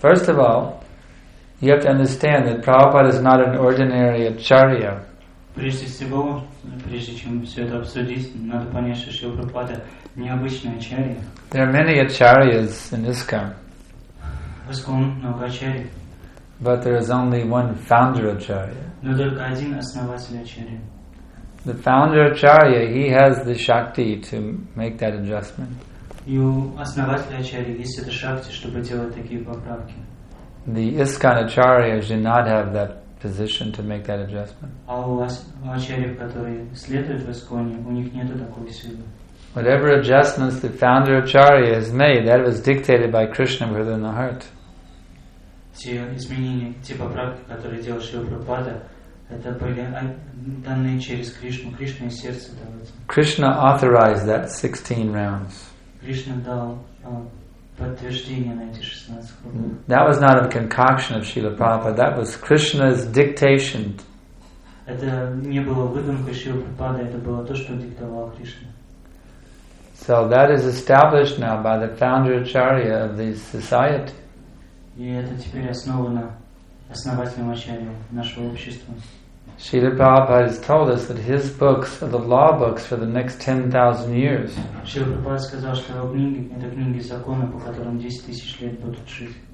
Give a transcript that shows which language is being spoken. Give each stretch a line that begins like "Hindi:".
English: First of all, you have to understand that Prabhupada is not an ordinary acharya.
Russian: Прежде всего, прежде чем все это обсудить, надо понять, что Шрила Прабхупада необычный ачарья.
English: There are many acharyas in ISKCON.
Russian: В ISKCON много ачарий.
English: But there is only one founder acharya.
Russian: Но только один основатель ачарья.
English: The founder acharya, he has the shakti to make that adjustment.
Russian: И у основателя ачарья есть эта шакти, чтобы делать такие поправки.
English: The ISKCON acharya did not have that position to make that adjustment.
Russian: А у ачарьев, которые следуют в ISKCON, у них нету такой силы.
English: Whatever adjustments the founder acharya has made, that was dictated by Krishna within the heart.
Russian: Те изменения, те поправки, которые делал Шрила Прабхупада, это были данные через Кришну. Кришна из сердца давал.
English: Krishna authorized that 16 rounds.
Russian: Кришна дал подтверждение на эти 16 кругов.
English: That was not a concoction of Шрила Прабхупада. That was Krishna's dictation.
Russian: Это не было выдумкой Шрила Прабхупады. Это было то, что диктовал Кришна.
English: So that is established now by the founder acharya of the society.
Russian: И это теперь основано основателем ачарьи нашего общества.
English: Шрила Прабхупада has told us that his books are the law books for the next 10,000 years.
Russian: Шрила Прабхупада сказал, что его книги — это книги закона, по которым 10,000 лет будут жить.